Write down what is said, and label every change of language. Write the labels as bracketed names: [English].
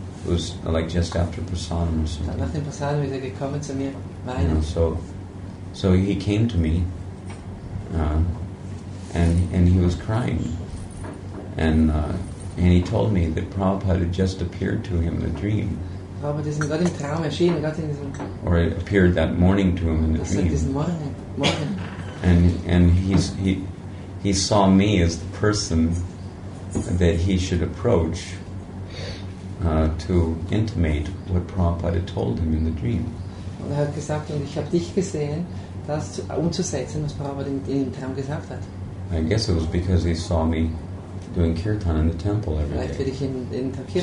[English] It was like just after prasadam or something. [German] Nachdem prasadam ist er gekommen zu mir, weinend. [English] So he came to me, and he was crying, and he told me that Prabhupada had just appeared to him in a dream. [German] Prabhupada ist gerade im Traum erschienen, gerade in diesem. [English] Or it appeared that morning to him in a dream. [German] Das ist diesen Morgen. [English] And he saw me as the person that he should approach to intimate what Prabhupada had told him in the dream. [German] Und hat gesagt, und ich habe dich gesehen, das umzusetzen, was Prabhupada in dem Traum gesagt hat. [English] I guess it was because he saw me doing kirtan in the temple every day.